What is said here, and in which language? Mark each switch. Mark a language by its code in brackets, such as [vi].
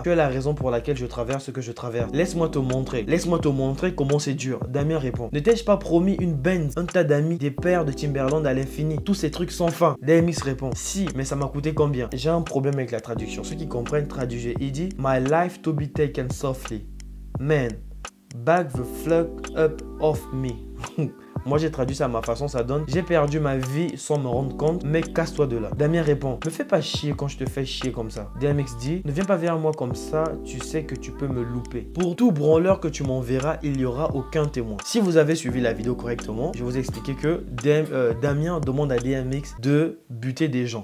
[fr] Tu es la raison pour laquelle je traverse ce que je traverse. Laisse-moi te montrer. Laisse-moi te montrer comment c'est dur. Damien répond. Ne t'ai-je pas promis une Benz, un tas d'amis, des paires de Timberland à l'infini, tous ces trucs sans fin? DMX répond. Si, mais ça m'a coûté combien? J'ai un problème avec la traduction. Ceux qui comprennent, traduisez. Il dit [en] My life to be taken softly. Man, back the fuck up off me. [fr] Moi j'ai traduit ça à ma façon, ça donne. J'ai perdu ma vie sans me rendre compte, mais casse-toi de là. Damien répond, me fais pas chier quand je te fais chier comme ça. DMX dit, ne viens pas vers moi comme ça, tu sais que tu peux me louper. Pour tout branleur que tu m'enverras, il n'y aura aucun témoin. Si vous avez suivi la vidéo correctement, je vais vous expliquer que Damien demande à DMX de buter des gens.